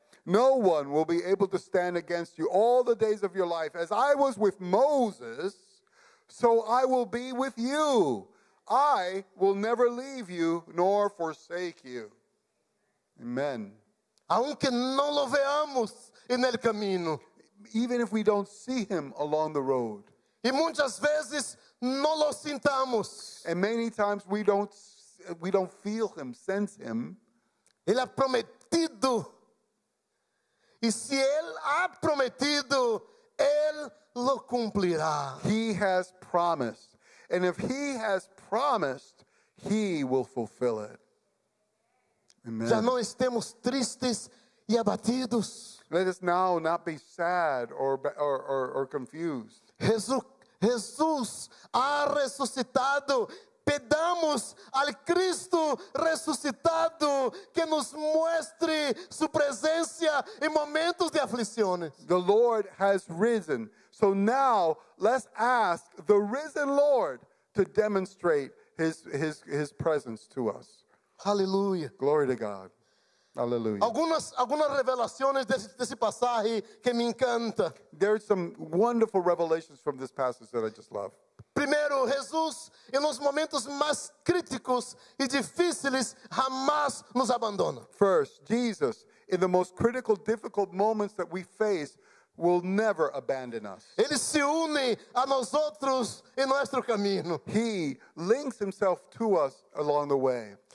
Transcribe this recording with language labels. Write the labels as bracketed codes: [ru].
[en] No one will be able to stand against you all the days of your life. As I was with Moses, so I will be with you. I will never leave you nor forsake you. Amen. [es] Aunque no lo veamos en el camino. [en] Even if we don't see him along the road. [es] Y muchas veces no lo sintamos. [en] And many times we don't feel him, sense him. [es] Él ha prometido. [pt] E se ele ha prometido, ele lo cumprirá. [en] He has promised. And if he has promised, he will fulfill it. Amen. [pt] Já não estemos tristes e abatidos. [en] Let us now not be sad or confused. [pt] Jesus ha ressuscitado. Pedamos ao Cristo ressuscitado que nos mostre sua presença em momentos de aflições. [en] The Lord has risen. So now let's ask the risen Lord to demonstrate his presence to us. [pt] Aleluia. [en] Glory to God. Aleluia. [pt] Algumas revelações desse passagem que me encanta. [en] There are some wonderful revelations from this passage that I just love. [pt] Primeiro, Jesus, em nos momentos mais críticos e difíceis, jamais nos abandona. [en] First, Jesus, in the most critical, difficult moments that we face, will never abandon us. [pt] Ele se une a nós outros em nosso caminho. [en] He links himself to us along the way.